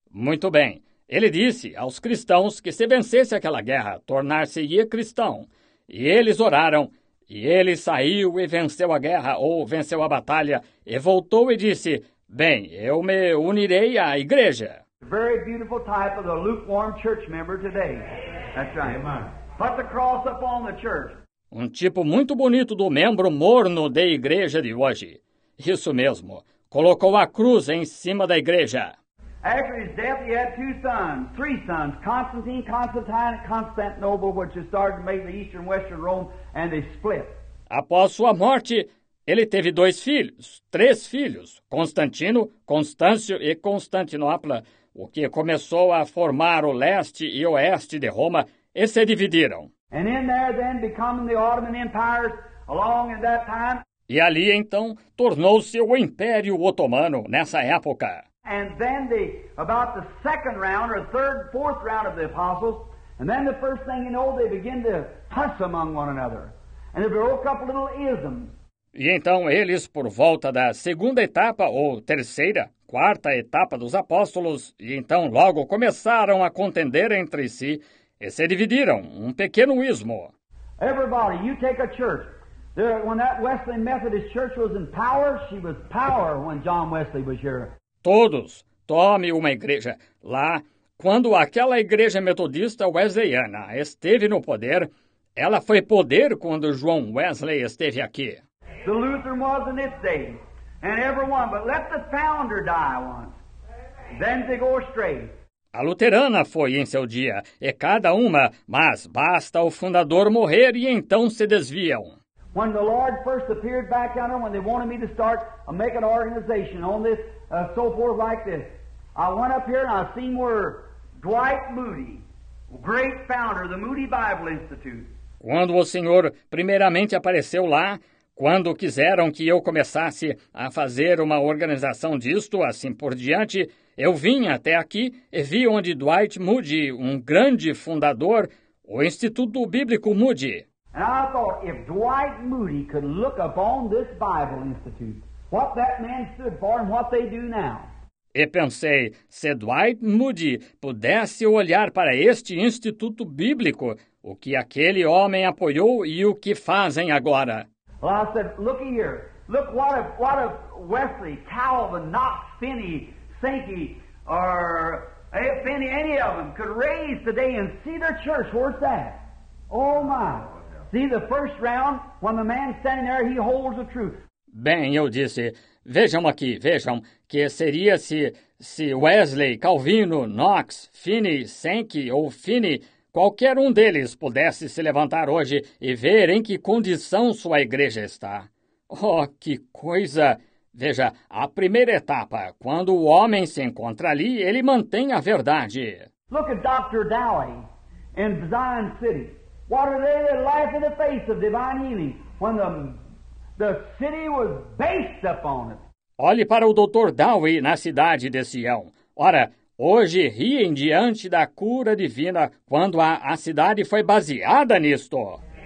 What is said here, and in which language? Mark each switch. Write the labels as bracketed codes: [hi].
[pt] Muito bem. Ele disse aos cristãos que se vencesse aquela guerra, tornar-se-ia cristão. E eles oraram. E ele saiu e venceu a guerra, ou venceu a batalha. E voltou e disse, bem, eu me unirei à igreja. [en] Very beautiful type of the lukewarm church member today. That's right. Amen. Put the cross up on the church. [pt] Um tipo muito bonito do membro morno da igreja de hoje. Isso mesmo. Colocou a cruz em cima da igreja. [en] After his death, he had two sons, three sons, Constantine, Constantine, and Constantinople, which had started to make the Eastern and Western Rome, and they split. [pt] Após sua morte, ele teve dois filhos, três filhos, Constantino, Constâncio e Constantinopla, o que começou a formar o leste e oeste de Roma, e se dividiram. [en] And in there then becoming the Ottoman Empires along in that time. [pt] E ali então tornou-se o Império Otomano nessa época. [en] And then about the second round or third, fourth round of the apostles, and then the first thing you know, they begin to fuss among one another. And they broke up little isms. [pt] E então eles, por volta da segunda etapa, ou terceira, quarta etapa dos apóstolos, e então logo começaram a contender entre si e se dividiram, um pequeno ismo. [en] Everybody, you take a church. There, when that Wesleyan Methodist church was in power, she was power when John Wesley was here. [pt] Todos, tome uma igreja. Lá, quando aquela igreja metodista wesleyana esteve no poder, ela foi poder quando João Wesley esteve aqui. [en] The Lutheran was in its day, and everyone, but let the founder die once, then they go astray. [pt] A luterana foi em seu dia, e cada uma, mas basta o fundador morrer e então se desviam. [en] When the Lord first appeared back on them, when they wanted me to start a make an organization on this, so forth like this, I went up here and I seen where Dwight Moody, great founder of the Moody Bible Institute. [pt] Quando o Senhor primeiramente apareceu lá, quando quiseram que eu começasse a fazer uma organização disto, assim por diante, eu vim até aqui e vi onde Dwight Moody, um grande fundador, o Instituto Bíblico Moody. [en] And I thought, if Dwight Moody could look upon this Bible Institute, what that man stood for and what they do now. [pt] E pensei, se Dwight Moody pudesse olhar para este Instituto Bíblico, o que aquele homem apoiou e o que fazem agora. [en] Well, I said, look here. Look, what if Wesley, Calvin, Knox, Finney, Sankey, or Finney, any of them, could raise today and see their church, where's that? Oh, my. See, the first round, when the man's standing there, he holds the truth. [pt] Bem, eu disse, vejam aqui, vejam, que seria se Wesley, Calvino, Knox, Finney, Sankey ou Finney, qualquer um deles pudesse se levantar hoje e ver em que condição sua igreja está. Oh, que coisa! Veja, a primeira etapa, quando o homem se encontra ali, ele mantém a verdade. [en] Look at Dr. Dowie in Zion City. What are they the life in the face of divine healing when the city was based upon it? [pt] Olhe para o Dr. Dowie na cidade de Sião. Ora, hoje riem diante da cura divina quando a cidade foi baseada nisto.